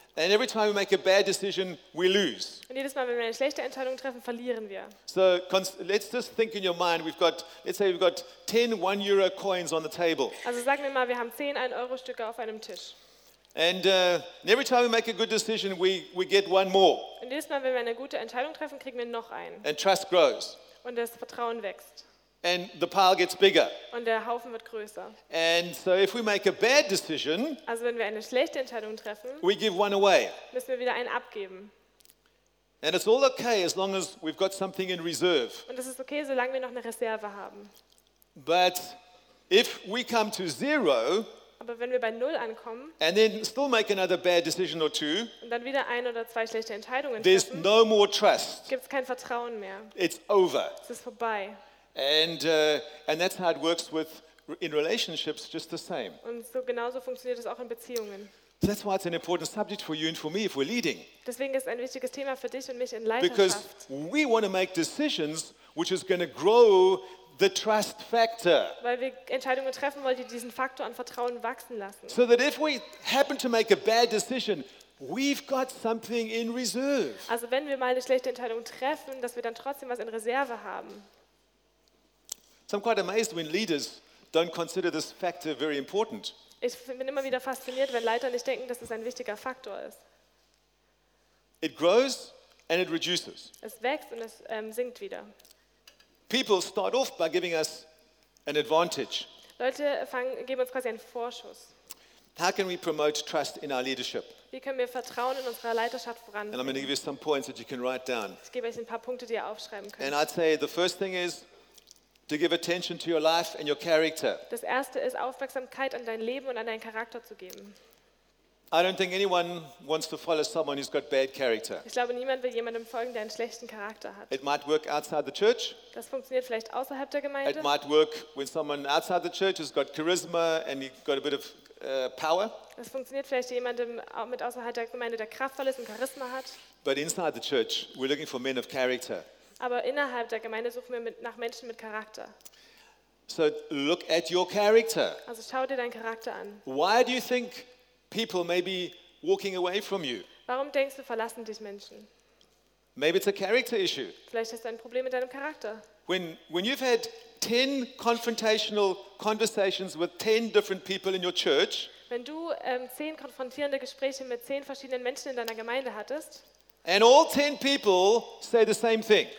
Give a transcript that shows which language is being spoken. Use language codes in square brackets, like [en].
[en] And every time we make a bad decision, we lose. [de] Und jedes Mal, wenn wir eine schlechte Entscheidung treffen, verlieren wir. [en] So let's just think in your mind. Let's say we've got 10 1-Euro coins on the table. [de] Also sagen wir mal, wir haben 10 1-Euro-Stücke auf einem Tisch. [en] And every time we make a good decision, we get one more. [de] Und jedes Mal, wenn wir eine gute Entscheidung treffen, kriegen wir noch einen. [en] And trust grows. [de] Und das Vertrauen wächst. [en] And the pile gets bigger. [de] Und der Haufen wird größer. [en] And so if we make a bad decision, [de] also wenn wir eine schlechte Entscheidung treffen, [en] we give one away. [de] Müssen wir wieder einen abgeben. [en] And it's all okay as long as we've got something in reserve. [de] Und es ist okay, solange wir noch eine Reserve haben. [en] But if we come to zero, [de] aber wenn wir bei null ankommen, [en] and then still make another bad decision or two, [de] und dann wieder ein oder zwei schlechte Entscheidungen [en] there's [de] treffen, [en] no more trust. [de] Gibt's kein Vertrauen mehr. [en] It's over. [de] Es ist vorbei. [en] And that's how it works with in relationships just the same. [de] Und so genauso funktioniert es auch in Beziehungen. [en] So that's why it's an important subject for you and for me if we're leading. [de] Deswegen ist ein wichtiges Thema für dich und mich in Leiterschaft. [en] Because we want to make decisions which is going to grow the trust factor. [de] Weil wir Entscheidungen treffen wollen, die diesen Faktor an Vertrauen wachsen lassen. [en] So that if we happen to make a bad decision, we've got something in reserve. [de] Also wenn wir mal eine schlechte Entscheidung treffen, dass wir dann trotzdem was in Reserve haben. [en] So I'm quite amazed when leaders don't consider this factor very important. [de] Ich bin immer wieder fasziniert, wenn Leiter nicht denken, dass es ein wichtiger Faktor ist. [en] It grows and it reduces. [de] Es wächst und es sinkt wieder. [en] People start off by giving us an advantage. [de] Leute geben uns quasi einen Vorschuss. [en] How can we promote trust in our leadership? [de] Wie können wir Vertrauen in unserer Leiterschaft voranbringen? [en] And I'm going to give you some points that you can write down. [de] Ich gebe euch ein paar Punkte, die ihr aufschreiben könnt. [en] And I'd say the first thing is to give attention to your life and your character. [de] Das erste ist Aufmerksamkeit an dein Leben und an deinen Charakter zu geben. [en] I don't think anyone wants to follow someone who's got bad character. [de] Ich glaube, niemand will jemandem folgen, der einen schlechten Charakter hat. [en] It might work outside the church. [de] Das funktioniert vielleicht außerhalb der Gemeinde. [en] It might work when someone outside the church has got charisma and he's got a bit of power. [de] Das funktioniert vielleicht jemandem auch mit außerhalb der Gemeinde, der kraftvoll ist und Charisma hat. [en] But inside the church, we're looking for men of character. [de] Aber innerhalb der Gemeinde suchen wir nach Menschen mit Charakter. [en] So look at your character. [de] Also schau dir deinen Charakter an. [en] Why do you think people may be walking away from you? [de] Warum denkst du, verlassen dich Menschen? [en] Maybe it's a character issue. [de] Vielleicht hast du ein Problem mit deinem Charakter. [en] When you've had 10 confrontational conversations with 10 different people in your church, [de] wenn du 10 konfrontierende Gespräche mit 10 verschiedenen Menschen in deiner Gemeinde hattest, [en] and all 10 people say the same thing.